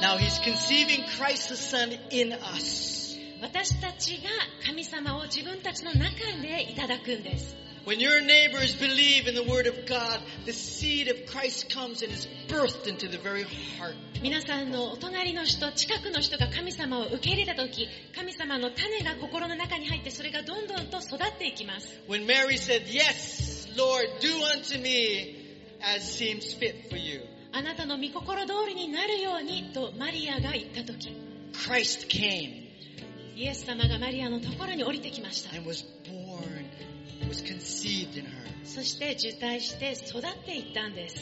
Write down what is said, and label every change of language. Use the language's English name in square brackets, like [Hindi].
[English] Now he's conceiving Christ the Son in us. [Japanese] 私たちが神様を自分たちの中でいただくんです。 [English] When your neighbors believe in the word of God, the seed of Christ comes and is birthed into the very heart. [Japanese] 皆さんのお隣の人、近くの人が神様を受け入れた時、神様の種が心の中に入って、それがどんどんと育っていきます。 [English] When Mary said, "Yes, Lord, do unto me as seems fit for you." [Japanese] あなたの御心通りになるようにとマリアが言った時、 [English] Christ came. [Japanese] イエス様がマリアのところに降りてきました。 [English] And was born. Was conceived in her. [Japanese] そして受胎して育っていったんです。